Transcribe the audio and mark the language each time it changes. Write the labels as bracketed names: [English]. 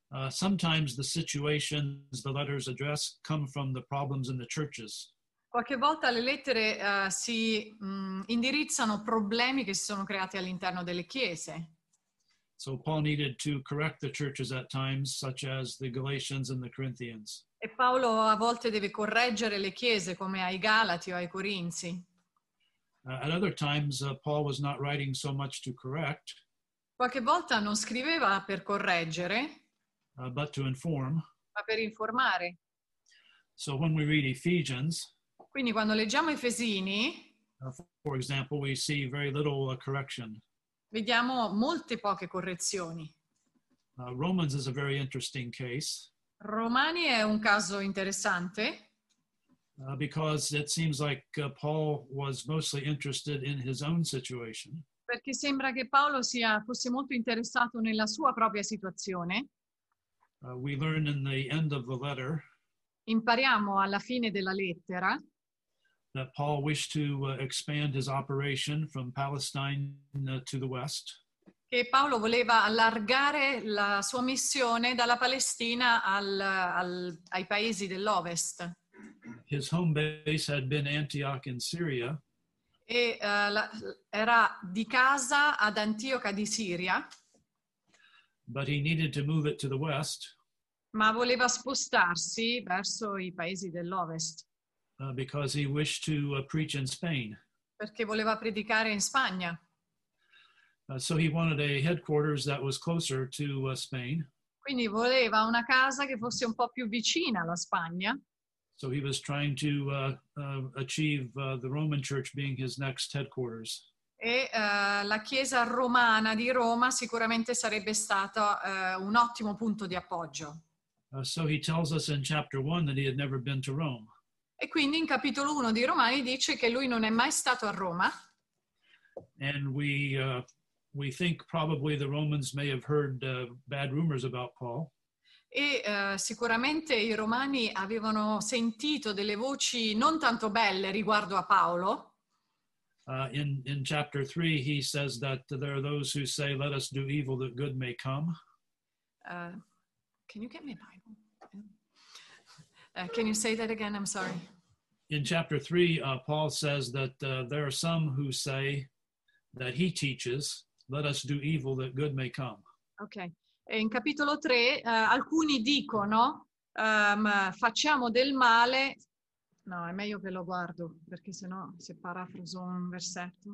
[English] Sometimes the situations the letters address come from the problems in the churches. [Italian] Qualche volta le lettere si indirizzano problemi che si sono creati all'interno delle chiese. [English] So Paul needed to correct the churches at times, such as the Galatians and the Corinthians. [Italian] E Paolo a volte deve correggere le chiese, come ai Galati o ai Corinzi. [English] At other times, Paul was not writing so much to correct. [Italian] Qualche volta non scriveva per correggere. [English] But to inform. [Italian] Ma per informare. [English] So when we read Ephesians. [Italian] Quindi quando leggiamo Efesini. [English] For example, we see very little correction. [Italian] Vediamo molte poche correzioni. [English] Romans is a very interesting case. [Italian] Romani è un caso interessante. [English] Because it seems like Paul was mostly interested in his own situation. [Italian] Perché sembra che Paolo fosse molto interessato nella sua propria situazione. [English] We learn in the end of the letter. [Italian] Impariamo alla fine della lettera. [English] That Paul wished to expand his operation from Palestine to the West. [Italian] Che Paolo voleva allargare la sua missione dalla Palestina ai paesi dell'Ovest. [English] His home base had been Antioch in Syria. [Italian] E era di casa ad Antioca di Siria. [English] But he needed to move it to the West. [Italian] Ma voleva spostarsi verso i paesi dell'Ovest. [English] Because he wished to preach in Spain. [Italian] Perché voleva predicare in Spagna. [English] So he wanted a headquarters that was closer to Spain. [Italian] Quindi voleva una casa che fosse un po' più vicina alla Spagna. [English] So he was trying to achieve the Roman Church being his next headquarters. [Italian] E la Chiesa Romana di Roma sicuramente sarebbe stata un ottimo punto di appoggio. [English] So he tells us in chapter 1 that he had never been to Rome. [Italian] E quindi in capitolo 1 di Romani dice che lui non è mai stato a Roma. [English] And we think probably the Romans may have heard bad rumors about Paul. [Italian] E sicuramente i Romani avevano sentito delle voci non tanto belle riguardo a Paolo. [English] In chapter 3 he says that there are those who say let us do evil that good may come. Can you get me a Bible? Can you say that again? I'm sorry. In chapter 3, Paul says that there are some who say that he teaches, let us do evil that good may come. Okay. [Italian] E in capitolo 3, alcuni dicono, facciamo del male. No, è meglio che lo guardo, perché sennò si parafraso un versetto.